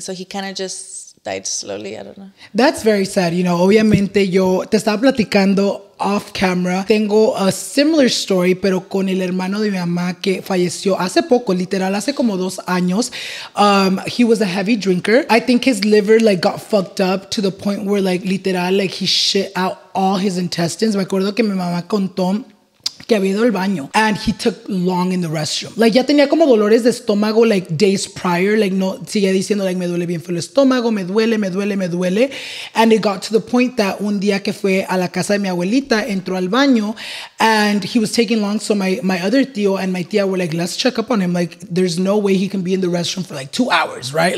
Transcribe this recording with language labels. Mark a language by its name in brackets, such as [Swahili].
[English] So he kind of just died slowly, I don't know. That's very sad, you know. [Spanish] Obviamente, yo te estaba platicando [English] off camera. [Spanish] Tengo [English] a similar story, [Spanish] pero con el hermano de mi mamá que falleció hace poco, literal, hace como 2 años. [English] He was a heavy drinker. I think his liver, like, got fucked up to the point where, like, literal, like, he shit out all his intestines. [Spanish] Me acuerdo que mi mamá contó que había ido al baño [English] and he took long in the restroom. [Spanish] Like, ya tenía como dolores de estómago, like, [English] days prior. [Spanish] Like, no, sigue diciendo, like, me duele bien el estómago, me duele. [English] And it got to the point that [Spanish] un día que fue a la casa de mi abuelita, entró al baño [English] and he was taking long. So my other tío and my tía were like, let's check up on him. Like, there's no way he can be in the restroom for like 2 hours, right?